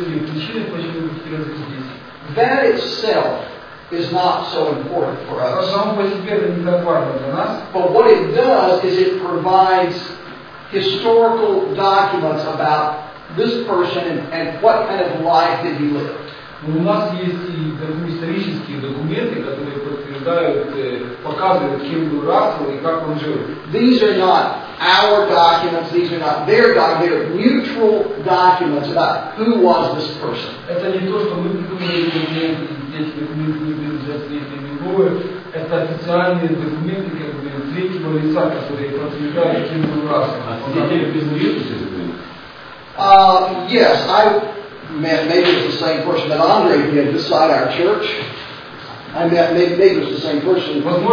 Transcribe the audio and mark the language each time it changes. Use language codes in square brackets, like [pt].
[en] That itself is not so important for us. But what it does is it provides historical documents about this person and what kind of life did he live. [ru] У нас есть и другие исторические документы, которые подтверждают, показывают, кем был Рассел и как он жил. [en] These are not our documents, these are not their documents, they're neutral documents about who was this person. [ru] Это не то, что мы придумали документы, эти документы не были взяты из Библии. Это официальные документы, как бы, третьего лица, которые подтверждают, кем был Рассел. Вы признаете эти документы? [en] Yes, maybe it's the same person that Andre did beside our church. I mean, maybe it's the same person.